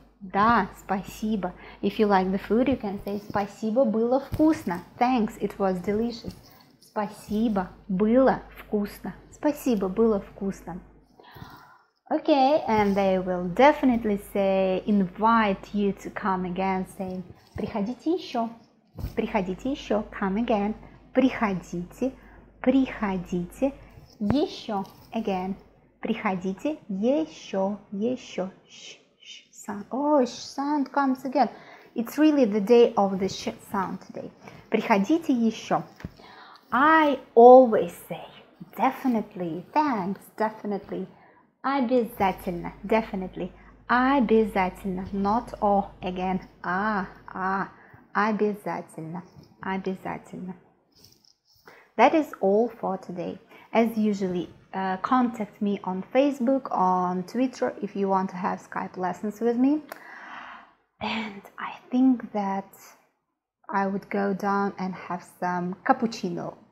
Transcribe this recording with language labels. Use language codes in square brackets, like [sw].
[ru] Да, спасибо. [en] If you like the food, you can say [ru] спасибо, было вкусно. [en] Thanks, it was delicious. [ru] Спасибо, было вкусно. Спасибо, было вкусно. [en] Okay, and they will definitely say, invite you to come again, saying [ru] приходите еще. Приходите еще, [en] come again. [ru] Приходите, приходите еще, again. Приходите еще, еще. [en] Sound comes again. It's really the day of the sound today. [ru] Приходите еще. [en] I always say definitely, thanks, definitely. Обязательно, definitely. Обязательно, not all, again. [ru] Обязательно, обязательно. [en] That is all for today. As usually, contact me on Facebook, on Twitter, if you want to have Skype lessons with me. And I think that I would go down and have some cappuccino.